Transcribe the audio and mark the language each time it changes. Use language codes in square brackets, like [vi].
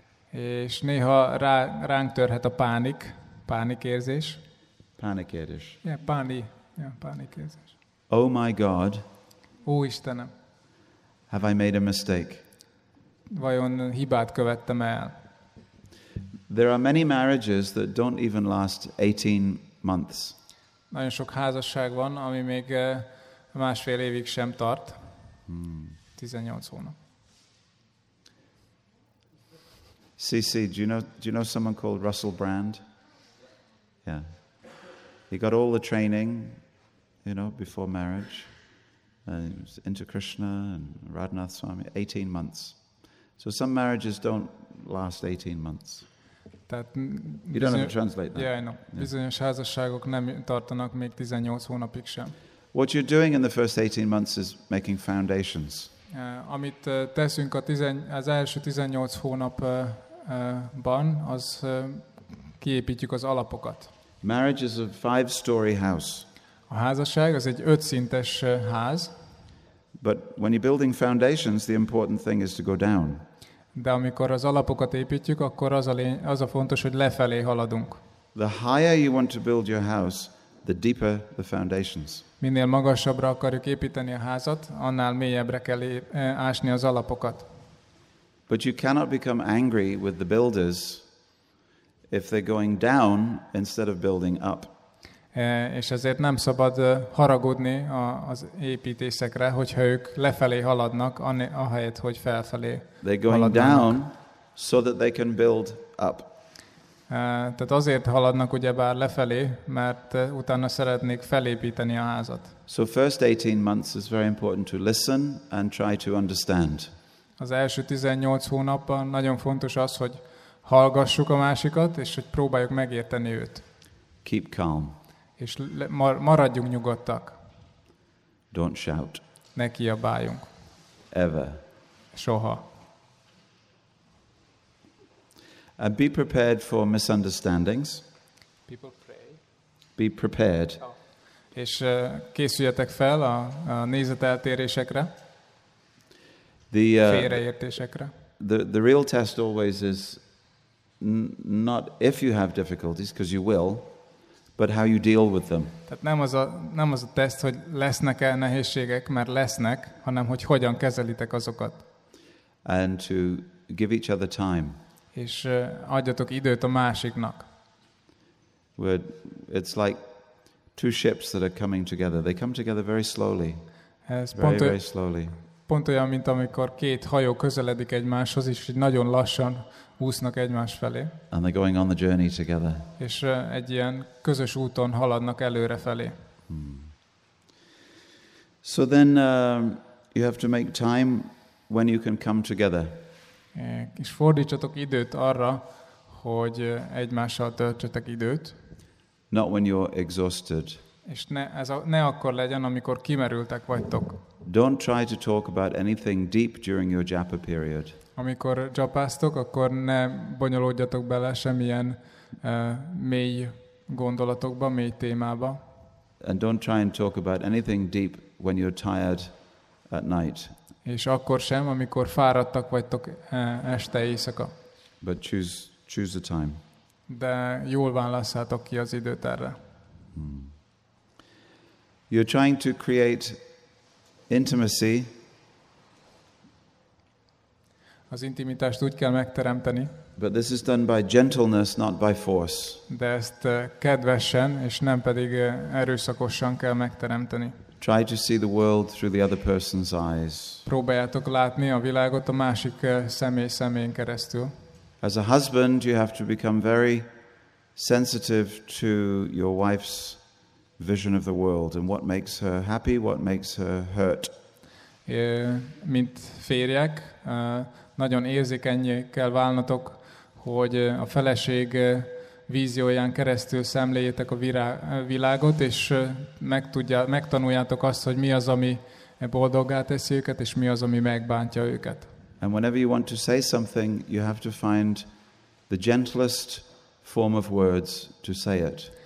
[hu] És néha ránk törhet a pánik, pánikérzés. Pánikérzés. Pánikérzés. [en] Oh my God. [hu] Ó Istenem. [en] Have I made a mistake? [hu] Vajon hibát követtem el? [en] There are many marriages that don't even last 18 months. [hu] Nagyon sok házasság van, ami még másfél évig sem tart. 18 hónap. [en] CC, do you know someone called Russell Brand? Yeah. He got all the training, before marriage. And he was into Krishna and Radhanath Swami, 18 months. So some marriages don't last 18 months. That you don't have to translate that. Yeah, I know. Yeah. [hu] Bizonyos házasságok nem tartanak még 18 hónapig sem. [en] What you're doing in the first 18 months is making foundations. [hu] Amit teszünk az első 18 hónapban, az kiépítjük az alapokat. [en] Marriage is a 5-story house. [hu] A házasság az egy 5-szintes ház. [en] But when you're building foundations, the important thing is to go down. [hu] De amikor az alapokat építjük, akkor az a fontos, hogy lefelé haladunk. [en] The higher you want to build your house, the deeper the foundations. [hu] Minél magasabbra akarjuk építeni a házat, annál mélyebbre kell ásni az alapokat. [en] But you cannot become angry with the builders if they're going down instead of building up. [hu] És ezért nem szabad haragudni az építészekre, hogyha ők lefelé haladnak, ahelyett, hogy felfelé haladnak. [en] They're going down so that they can build up. [hu] Tehát azért haladnak ugyebár lefelé, mert utána szeretnék felépíteni a házat. [en] So first 18 months is very important to listen and try to understand. [hu] Az első 18 hónapban nagyon fontos az, hogy hallgassuk a másikat, és hogy próbáljuk megérteni őt. [en] Keep calm. [hu] És maradjunk nyugodtak. [en] Don't shout. [hu] Ne kiabáljunk. [en] Ever. [hu] Soha. [en] And be prepared for misunderstandings. People pray. Be prepared. Oh. [hu] És készüljetek fel a nézeteltérésekre. Félreértésekre. [en] The real test always is not if you have difficulties, because you will, but how you deal with them. [hu] Tehát nem az a teszt, hogy lesznek-e nehézségek, mert lesznek, hanem hogy hogyan kezelitek azokat. [en] And to give each other time. [hu] És adjatok időt a másiknak. [en] It's like two ships that are coming together. They come together very slowly. [hu] Ez [en] very, very slowly. [hu] Pont olyan, mint amikor két hajó közeledik egymáshoz, és nagyon lassan úsznak egymás felé. [en] And they're going on the journey together. [hu] És egy ilyen közös úton haladnak előre felé. [en] So then you have to make time when you can come together. [hu] És fordítsatok időt arra, hogy egymással töltsetek időt. [en] Not when you're exhausted. [hu] És ne akkor legyen, amikor kimerültek vagytok. [en] Don't try to talk about anything deep during your japa period. [hu] Amikor japáztok, akkor ne bonyolódjatok bele semmilyen mély gondolatokba, mély témába. [en] And don't try and talk about anything deep when you're tired at night. [hu] És akkor sem, amikor fáradtak vagytok este éjszaka. [en] But choose the time. [hu] De jól válasszátok ki az időt erre. [en] You're trying to create intimacy. [hu] Az intimitást úgy kell megteremteni. [en] But this is done by gentleness, not by force. [hu] De ezt kedvesen és nem pedig erőszakosan kell megteremteni. [en] Try to see the world through the other person's eyes. [hu] Próbáljátok látni a világot a másik személy szemén keresztül. [en] As a husband, you have to become very sensitive to your wife's vision of the world and what makes her happy, what makes her hurt. [hu] Mint férjek, nagyon érzékenyé kell válnotok, hogy a feleség vízióján keresztül szemléljétek a világot, és megtanuljátok azt, hogy mi az, ami boldoggá teszi őket, és mi az, ami megbántja őket. [en] And whenever you want to say something, you have to find the gentlest form of words to say it.